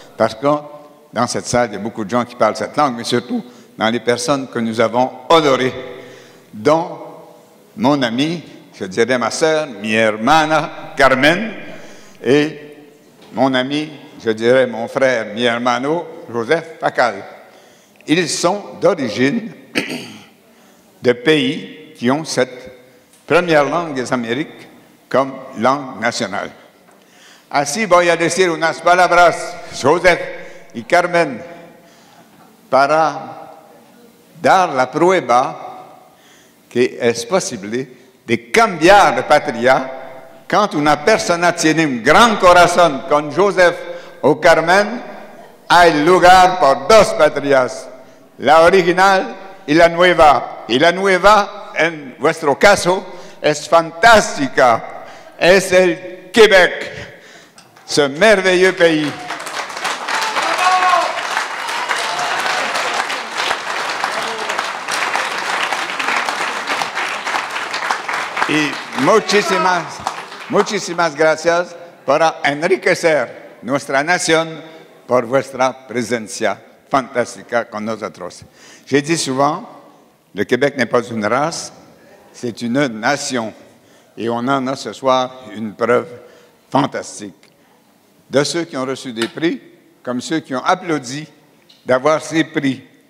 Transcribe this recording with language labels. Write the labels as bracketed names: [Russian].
[French] Parce que dans cette salle, il y a beaucoup de gens qui parlent cette langue, mais surtout dans les personnes que nous avons honorées, dont mon ami, je dirais ma sœur, [Spanish] mi hermana [French] Carmen, et mon ami, je dirais mon frère, [Spanish] mi hermano [French] Joseph Facal. Ils sont d'origine de pays qui ont cette première langue des Amériques comme langue nationale. [Spanish] Así voy a decir unas palabras, Joseph y Carmen, para dar la prueba que es posible de cambiar de patria [French] quand [Spanish] una persona tiene un gran corazón con Joseph o Carmen, hay lugar por dos patrias, la original y la nueva. Y la nueva, en vuestro caso, es fantástica. Es el Québec, [French] ce merveilleux pays. [Spanish] Y muchísimas, muchísimas gracias por enriquecer nuestra nación por vuestra presencia fantástica con nosotros. [French] J'ai dit souvent, le Québec n'est pas une race, c'est une nation. Et on en a ce soir une preuve fantastique. De ceux qui ont reçu des prix, comme ceux qui ont applaudi d'avoir ces prix.